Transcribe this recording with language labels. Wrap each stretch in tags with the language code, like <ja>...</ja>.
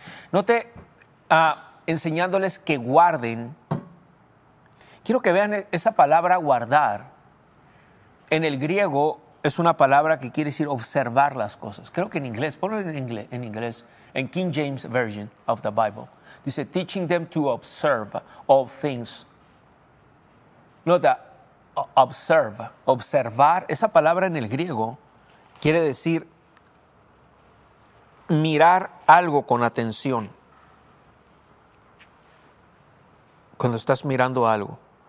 <es>Note, enseñándoles que guarden. Quiero que vean esa palabra guardar. En el griego es una palabra que quiere decir observar las cosas. Creo que en inglés, ponlo en inglés, en King James Version of the Bible.</es> <en>Dice, teaching them to observe all things.</en> <es>Nota, observe. Observar, esa palabra en el griego quiere decir mirar algo con atención. Cuando estás mirando algo.</es>